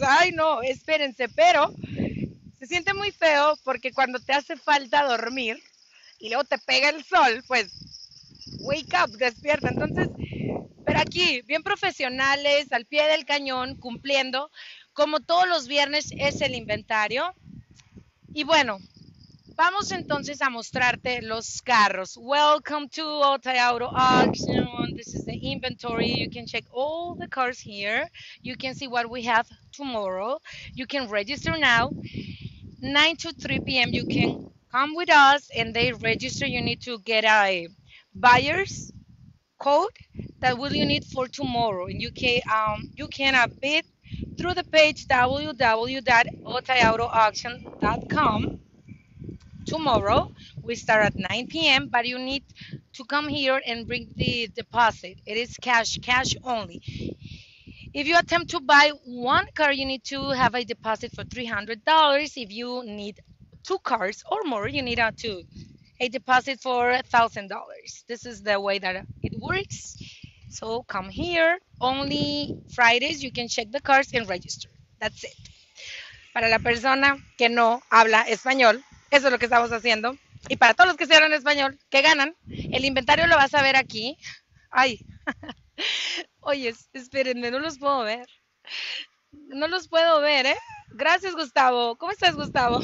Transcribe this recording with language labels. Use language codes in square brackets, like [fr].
[es] Ay, no, espérense, pero se siente muy feo porque cuando te hace falta dormir y luego te pega el sol, pues, [en] wake up, [es] despierta. Entonces, pero aquí, bien profesionales, al pie del cañón, cumpliendo, como todos los viernes es el inventario. Y bueno, vamos entonces a mostrarte los carros. [en] Welcome to Otay Auto Auction. This is the inventory. You can check all the cars here. You can see what we have tomorrow. You can register now. 9 to 3 p.m. you can come with us and they register. You need to get a buyer's code that will you need for tomorrow. And you can bid through the page www.otayautoauction.com. Tomorrow we start at 9 p.m. but you need to come here and bring the deposit. It is cash, cash only. If you attempt to buy one car, you need to have a deposit for $300. If you need two cars or more, you need a deposit for $1,000. This is the way that it works. So come here. Only Fridays you can check the cars and register. That's it. [es] Para la persona que no habla español, eso es lo que estamos haciendo. Y para todos los que se hablan español, que ganan. El inventario lo vas a ver aquí. Ay, oye, espérenme, no los puedo ver. No los puedo ver, ¿eh? Gracias, Gustavo. ¿Cómo estás, Gustavo?